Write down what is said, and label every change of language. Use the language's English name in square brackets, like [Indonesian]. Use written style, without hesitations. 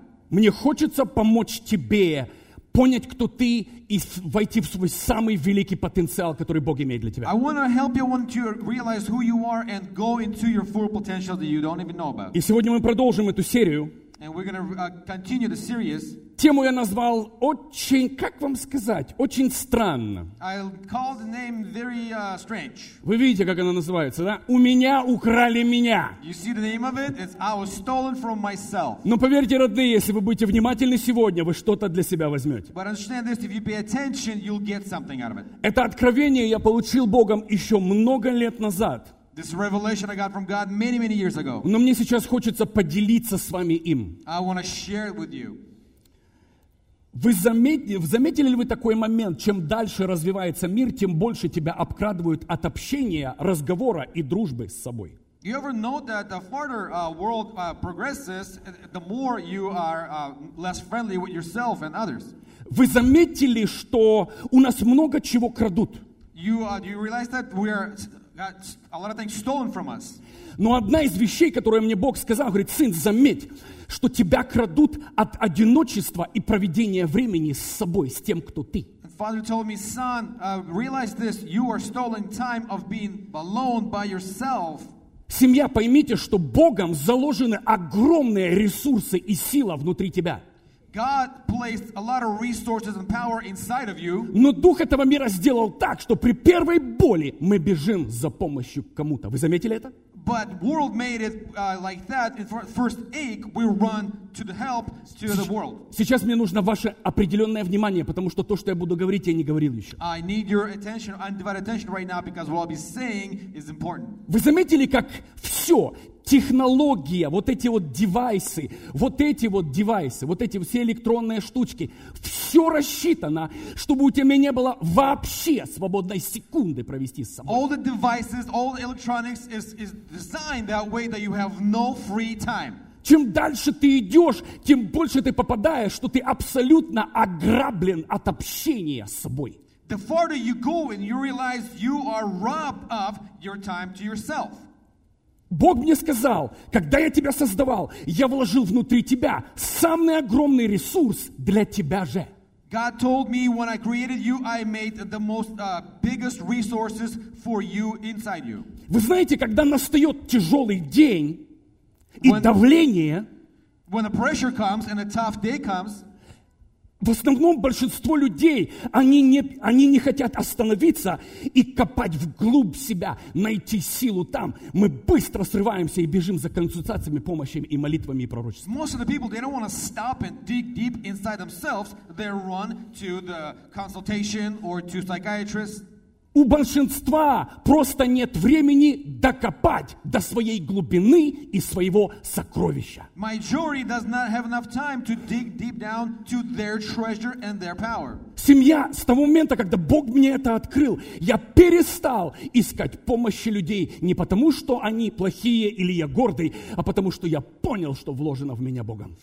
[Russian] Мне хочется помочь тебе понять, кто ты, и войти в свой самый великий потенциал, который Бог имеет для тебя. [English] I want to help you, I want to realize who you are and go into your full potential that you don't even know about. [Russian] И сегодня мы продолжим эту серию. [English] And we're going to continue the series. [Russian] Тему я назвал очень, как вам сказать, очень странно. [English] I'll call the name very strange. [Russian] Вы видите, как она называется, да? У меня украли меня. [English] You see the name of it? It's I was stolen from myself. [Russian] Но поверьте, родные, если вы будете внимательны сегодня, вы что-то для себя возьмете. [English] But understand this, if you pay attention, you'll get something out of it. [Russian] Это откровение я получил Богом еще много лет назад. [English] This revelation I got from God many, many years ago. [Russian] Но мне сейчас хочется поделиться с вами им. [English] I want to share it with you. [Russian] Вы заметили ли вы такой момент, чем дальше развивается мир, тем больше тебя обкрадывают от общения, разговора и дружбы с собой? [English] You ever know that the farther world progresses, the more you are less friendly with yourself and others? [Russian] Вы заметили, что у нас много чего крадут? [English] You realize that we are got a lot of things stolen from us. [Russian] Но одна из вещей, которую мне Бог сказал, говорит, сын, заметь, что тебя крадут от одиночества и проведения времени с собой, с тем, кто ты. [English] And Father told me, son, realize this, you are stolen time of being alone by yourself. [Russian] Семья, поймите, что Богом заложены огромные ресурсы и сила внутри тебя. [English] God placed a lot of resources and power inside of you. [Russian] Но дух этого мира сделал так, что при первой боли мы бежим за помощью к кому-то. Вы заметили это? [English] But world made it like that. In first ache, we run to the help to the world. [Russian] Сейчас мне нужно ваше определенное внимание, потому что то, что я буду говорить, я не говорил еще. [English] I need your attention, undivided attention right now, because what I'll be saying is important. [Russian] Вы заметили, как все технология, вот эти вот девайсы, вот эти все электронные штучки, все рассчитано, чтобы у тебя не было вообще свободной секунды провести с собой. [English] All the devices, all the electronics is designed that way that you have no free time. [Russian] Чем дальше ты идешь, тем больше ты попадаешь, что ты абсолютно ограблен от общения с собой. [English] The farther you go and you realize you are robbed of your time to yourself. [Russian] Бог мне сказал, когда я тебя создавал, я вложил внутри тебя самый огромный ресурс для тебя же. [English] God told me when I created you, I made the most biggest resources for you inside you. [Russian] Вы знаете, когда настает тяжелый день и давление, [English] when the pressure comes and a tough day comes, [Russian] в основном большинство людей, они не хотят остановиться и копать вглубь себя, найти силу там. Мы быстро срываемся и бежим за консультациями, помощью и молитвами и пророчествами. [English] Most of the people, they don't want to stop and dig deep inside themselves. They run to the consultation or to psychiatrists. [Russian] У большинства просто нет времени докопать до своей глубины и своего сокровища. [English] Majority does not have enough time to dig deep down to their treasure and their power. [Russian] Семья, с того момента, когда Бог мне это открыл, я перестал искать помощи людей не потому, что они плохие или я гордый, а потому что я понял, что вложено в меня Богом.